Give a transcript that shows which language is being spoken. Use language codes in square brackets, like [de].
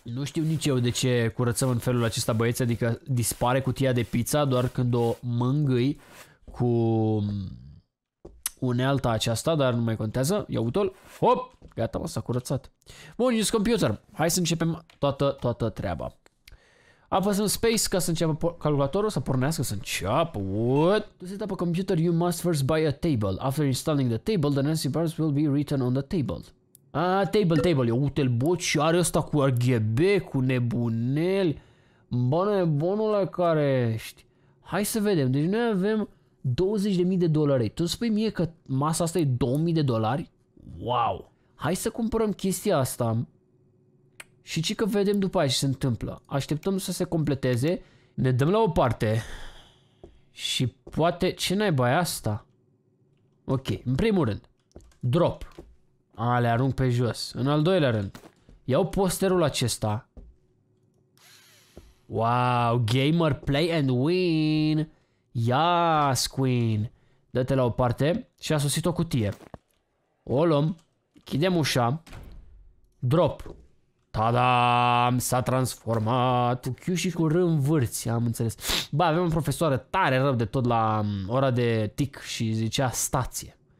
[ro] Nu știu nici eu de ce curățăm în felul acesta, băieți. Adică dispare cutia de pizza doar când o mângâi cu unealta aceasta, dar nu mai contează. Ia uite-l. Hop! Gata, mă, s-a curățat. Bun, [en] use computer. [ro] Hai să începem toată treaba. Apăsăm space ca să înceapă calculatorul, să pornească, să înceapă. [en] What? To set up a computer, you must first buy a table. After installing the table, the necessary parts will be written on the table. Ah, table. [ro] Ia uite-l, bă, ce are ăsta cu RGB, cu nebunel. Bă, nebunul la care ești. Hai să vedem. Deci noi avem 20.000 de dolari. Tu spui mie că masa asta e 2.000 de dolari? Wow! Hai să cumpărăm chestia asta și ce că vedem după aia ce se întâmplă. Așteptăm să se completeze, ne dăm la o parte și poate... Ce naiba e asta? Ok, în primul rând, drop. A, le arunc pe jos. În al doilea rând, iau posterul acesta. [en] Wow, gamer, play and win! Yas, queen! [ro] Dă-te la o parte și a sosit o cutie. O luăm, chidem ușa, drop. Tada, s-a transformat. Cu Q și cu R în vârți, am înțeles. Ba, avem o profesoară tare rău de tot la ora de TIC și zicea stație.